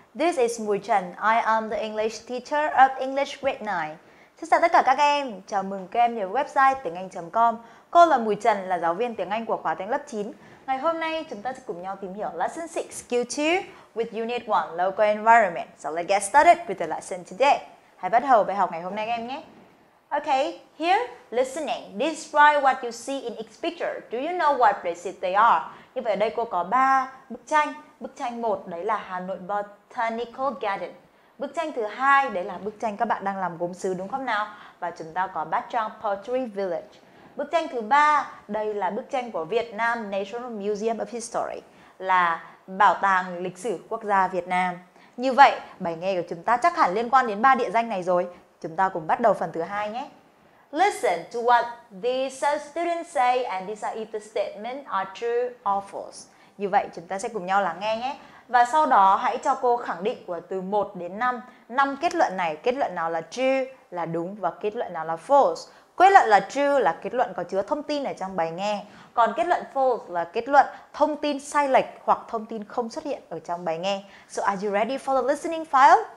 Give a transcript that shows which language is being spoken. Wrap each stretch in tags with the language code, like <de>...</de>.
<en>This is Mùi Trần, I am the English teacher of English grade 9.</en> <vi>Xin chào tất cả các em, chào mừng các em đến với website tiếnganh.com. Cô là Mùi Trần, là giáo viên tiếng Anh của khóa tiếng lớp 9. Ngày hôm nay chúng ta sẽ cùng nhau tìm hiểu</vi> <en>Lesson 6, Skill 2 with Unit 1, Local Environment. So let's get started with the lesson today.</en> <vi>Hãy bắt đầu bài học ngày hôm nay các em nhé.</vi> <en>Okay, here, listening. Describe what you see in each picture. Do you know what places they are?</en> <vi>Như vậy ở đây cô có 3 bức tranh. Bức tranh 1 đấy là Hà Nội Botanical Garden. Bức tranh thứ 2 đấy là bức tranh các bạn đang làm gốm sứ đúng không nào? Và chúng ta có bát tràng Pottery Village. Bức tranh thứ 3 đây là bức tranh của Việt Nam National Museum of History, là bảo tàng lịch sử quốc gia Việt Nam. Như vậy bài nghe của chúng ta chắc hẳn liên quan đến 3 địa danh này rồi. Chúng ta cùng bắt đầu phần thứ 2 nhé.</vi> <en>Listen to what these students say and decide if the statement are true or false.</en> <vi>Như vậy chúng ta sẽ cùng nhau lắng nghe nhé. Và sau đó hãy cho cô khẳng định của từ 1 đến 5. 5 kết luận này, kết luận nào là true là đúng và kết luận nào là false. Kết luận là true là kết luận có chứa thông tin ở trong bài nghe. Còn kết luận false là kết luận thông tin sai lệch hoặc thông tin không xuất hiện ở trong bài nghe.</vi> <en>So are you ready for the listening file?</en>